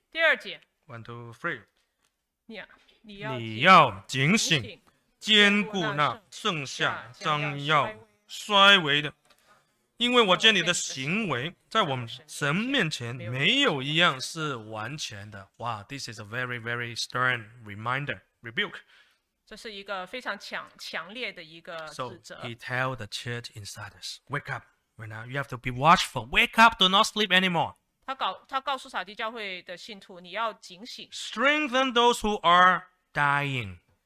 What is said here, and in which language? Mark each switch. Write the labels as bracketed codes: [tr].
[zh] 第二节。 [en] 1, 2, 3. [zh] 你要警醒，坚固那剩下将要衰微的，因为我见你的行为在我们神面前没有一样是完全的。 [en] 哇 ，This is a very very stern reminder, rebuke. [zh] 这是一个非常强烈的一个指责。 [en] So he tell the church in Sardis, wake up, right now. You have to be watchful. Wake up, do not sleep anymore. [zh] 他告诉撒迪教会的信徒，你要警醒。 [en] Strengthen those who are dying.